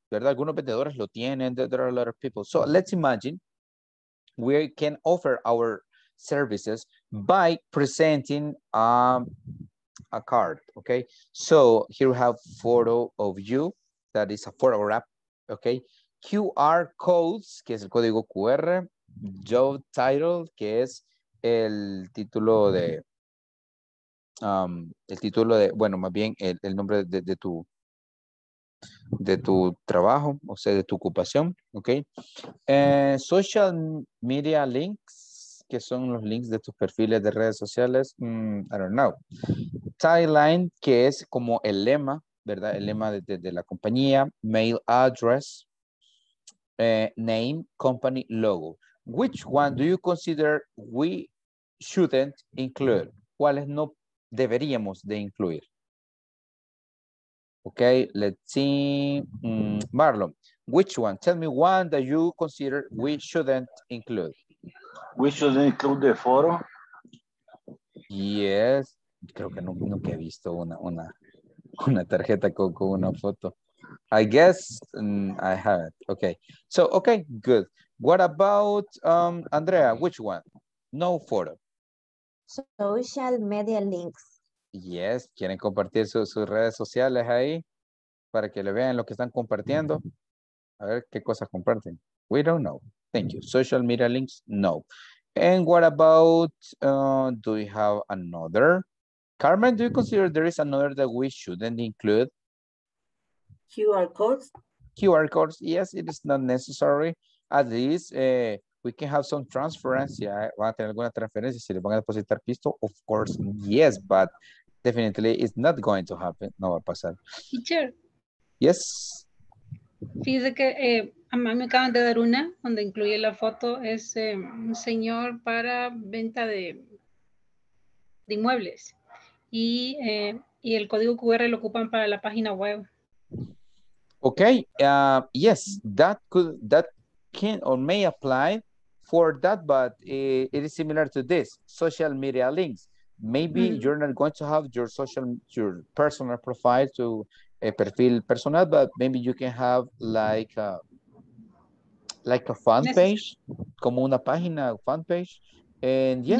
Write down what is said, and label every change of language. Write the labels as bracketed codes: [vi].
[es] ¿Verdad? Algunos vendedores lo tienen, [en] there are a lot of people. So let's imagine we can offer our services by presenting a card, okay? So here we have photo of you, that is a photograph, okay? [es] QR codes, que es el código QR, job title, que es el nombre de tu trabajo, o sea, de tu ocupación, okay? Social media links, que son los links de tus perfiles de redes sociales. [en] I don't know. [es] Tagline, que es como el lema, ¿verdad? El lema de la compañía. [en] Mail address. Name, company, logo. Which one do you consider we shouldn't include? [es] ¿Cuáles no deberíamos de incluir? [en] Okay, let's see. Marlon, which one? Tell me one that you consider we shouldn't include. We should include the photo. Yes. [es] Creo que nunca he visto una tarjeta con una foto. [en] I guess I have it. Okay. So, okay, good. What about Andrea? Which one? No photo. Social media links. [es] Yes. ¿Quieren compartir sus redes sociales ahí? Para que le vean lo que están compartiendo. A ver qué cosas comparten. [en] We don't know. Thank you. Social media links, no. And what about, do we have another? Carmen, do you consider there is another that we shouldn't include? QR codes? QR codes, yes, it is not necessary. At least, we can have some transference. [es] ¿Van a tener alguna transferencia? ¿Si le van a depositar pisto? [en] Of course, yes, but definitely it's not going to happen. [es] No va a pasar. [en] Teacher. Yes. [es] Fíjese que a mí me acaban de dar una donde incluye la foto. Es un señor para venta de inmuebles. Y el código QR lo ocupan para la página web. Ok. [en] Yes, that can or may apply for that, but it is similar to this. Social media links. maybe mm-hmm. you're not going to have your social, your personal profile to [es] a perfil personal, [en] but maybe you can have like a fan page, [es] como una página, [en] fan page. And yes.